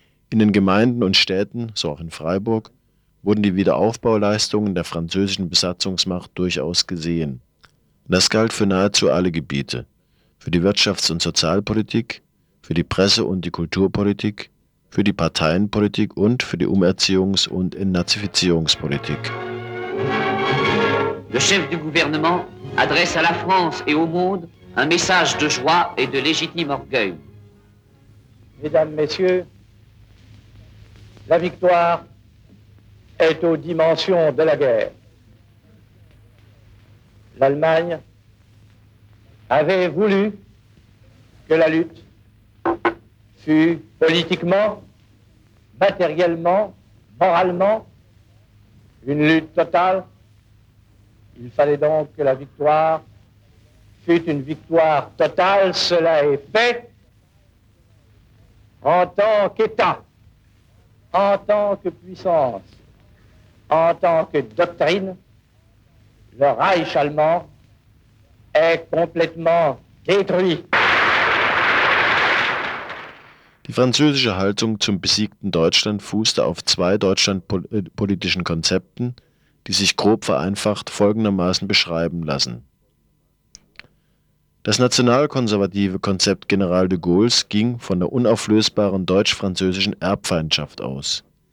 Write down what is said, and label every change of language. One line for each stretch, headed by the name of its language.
German: In den Gemeinden und Städten, so auch in Freiburg, wurden die Wiederaufbauleistungen der französischen Besatzungsmacht durchaus gesehen. Das galt für nahezu alle Gebiete, für die Wirtschafts- und Sozialpolitik, für die Presse- und die Kulturpolitik, für die Parteienpolitik und für die Umerziehungs- und Entnazifizierungspolitik.
French: Le chef du gouvernement adresse à la France et au monde un message de joie et de légitime orgueil. Mesdames, Messieurs, la victoire est aux dimensions de la guerre. L'Allemagne avait voulu que la lutte fût politiquement, matériellement, moralement, une lutte totale. Il fallait donc que la victoire fût une victoire totale. Cela est fait. En tant qu'État, en tant que puissance, en tant que doctrine, le Reich allemand est complètement détruit.
German: Die französische Haltung zum besiegten Deutschland fußte auf zwei deutschlandpolitischen Konzepten, die sich grob vereinfacht folgendermaßen beschreiben lassen. Das nationalkonservative Konzept General de Gaulles ging von der unauflösbaren deutsch-französischen Erbfeindschaft aus.